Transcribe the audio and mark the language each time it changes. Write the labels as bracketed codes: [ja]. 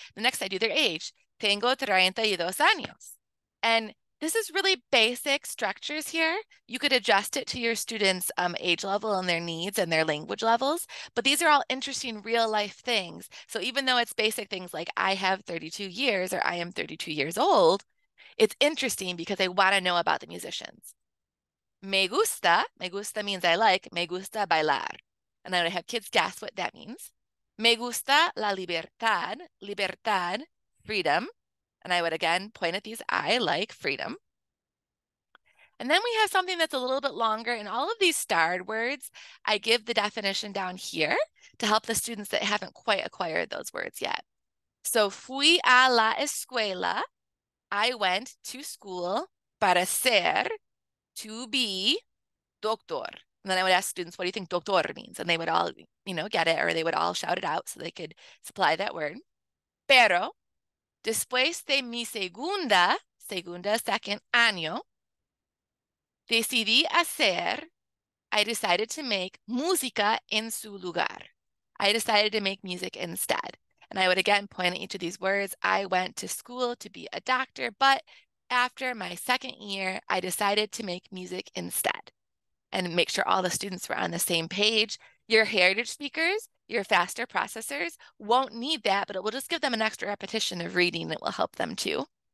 [en] The next I do their age. [es] Tengo 32 años. [en] And this is really basic structures here. You could adjust it to your students' age level and their needs and their language levels. But these are all interesting real life things. So even though it's basic things like I have 32 years or I am 32 years old, it's interesting because they want to know about the musicians. [es] Me gusta [en] means I like, [es] me gusta bailar. [en] And I would have kids guess what that means. [es] Me gusta la libertad, libertad, [en] freedom. And I would again point at these, I like freedom. And then we have something that's a little bit longer. And all of these starred words, I give the definition down here to help the students that haven't quite acquired those words yet. So [es] fui a la escuela. [en] I went to school [es] para ser, [en] to be doctor. And then I would ask students, what do you think doctor means? And they would all, you know, get it, or they would all shout it out so they could supply that word. [es] Pero, después de mi second año, decidí hacer, [en] I decided to make [es] música en su lugar. [en] I decided to make music instead. And I would again point at each of these words. I went to school to be a doctor, but after my second year, I decided to make music instead. And make sure all the students were on the same page. Your heritage speakers, your faster processors won't need that, but it will just give them an extra repetition of reading that will help them too.